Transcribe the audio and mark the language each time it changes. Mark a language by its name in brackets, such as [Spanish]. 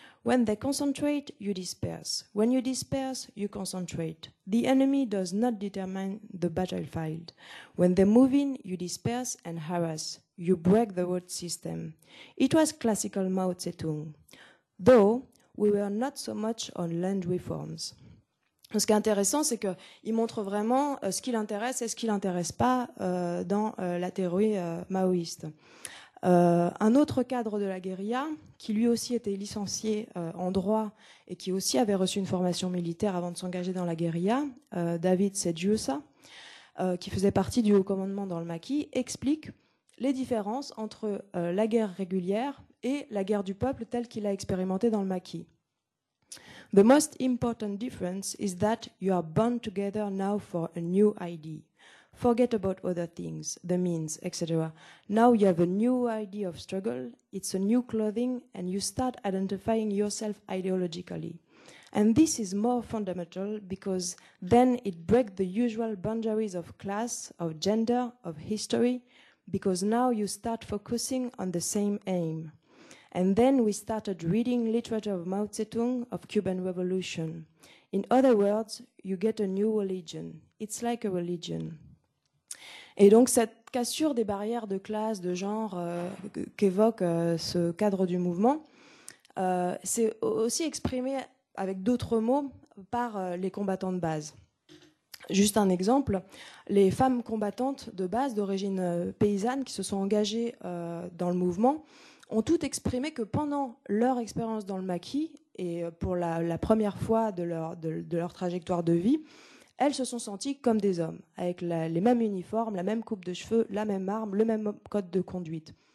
[English] When they concentrate, you disperse. When you disperse, you concentrate. The enemy does not determine the battlefield. When they move in, you disperse and harass. You break the road system. It was classical Mao Zedong. Though, we were not so much on land reforms. [French] Ce qui est intéressant, c'est qu'il montre vraiment ce qui l'intéresse et ce qui l'intéresse pas dans la théorie maoïste. Un autre cadre de la guérilla, qui lui aussi était licencié en droit et qui aussi avait reçu une formation militaire avant de s'engager dans la guérilla, David Sedjusa, qui faisait partie du haut commandement dans le maquis, explique les différences entre la guerre régulière et la guerre du peuple telle qu'il a expérimentée dans le maquis. [English] The most important difference is that you are bound together now for a new idea. Forget about other things, the means, etc. Now you have a new idea of struggle, it's a new clothing, and you start identifying yourself ideologically. And this is more fundamental because then it breaks the usual boundaries of class, of gender, of history, because now you start focusing on the same aim. And then we started reading literature of Mao Zedong, of Cuban Revolution. In other words, you get a new religion. It's like a religion. [French] Et donc cette cassure des barrières de classe, de genre qu'évoque ce cadre du mouvement, c'est aussi exprimé avec d'autres mots par les combattants de base. Juste un exemple, les femmes combattantes de base d'origine paysanne qui se sont engagées dans le mouvement ont toutes exprimé que pendant leur expérience dans le maquis et pour la première fois de leur trajectoire de vie, elles se sont senties comme des hommes, avec les mêmes uniformes, la même coupe de cheveux, la même arme, le même code de conduite.